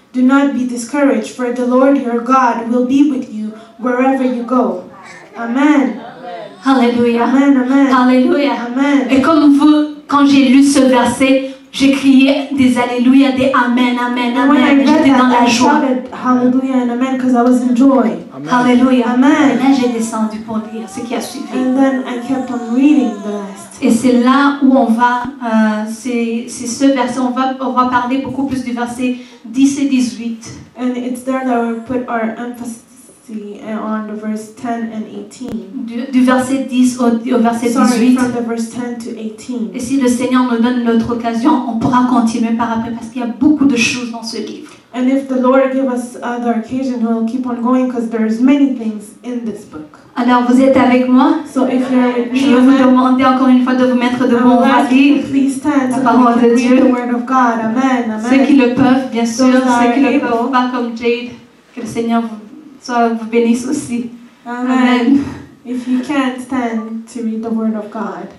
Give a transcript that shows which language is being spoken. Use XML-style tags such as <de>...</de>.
<en>Do not be discouraged, for the Lord your God will be with you wherever you go. Amen. Alléluia. Amen, amen. Alléluia. Amen.</en> <fr>Et comme vous, quand j'ai lu ce verset, j'ai crié des alléluia, des amen, amen, amen. J'étais dans la joie.</fr> <en>Hallelujah and amen, because I was in joy. Hallelujah. Amen.</en> <fr>Et là, j'ai descendu pour lire ce qui a suivi.</fr> <en>And then I kept on reading the rest.</en> <fr>Et c'est là où on va, c'est ce verset. On va parler beaucoup plus du verset 10 et 18.</fr> <en>And it's there that we put our emphasis on the verse 10 and 18.</en> <fr>Du verset 10 au verset 18.</fr> <en>Sorry, from the verse 10 to 18.</en> <fr>Et si le Seigneur nous donne notre occasion, on pourra continuer par après parce qu'il y a beaucoup de choses dans ce livre.</fr> <en>And if the Lord give us other occasion, we'll keep on going because there's many things in this book.</en> <fr>Alors vous êtes avec moi?</fr> <en>So if you're with me,</en> <fr>je vais vous demander encore une fois de vous mettre debout.</fr> <en>Amen. Please stand.</en> <fr>La parole de Dieu.</fr> <en>The word of God. Amen. Amen.</en> <fr>Ceux qui le peuvent, bien sûr. Ceux qui le peuvent pas comme Jade, que le Seigneur vous bénisse aussi. Amen.</fr> <en>If you can't stand to read the word of God.</en>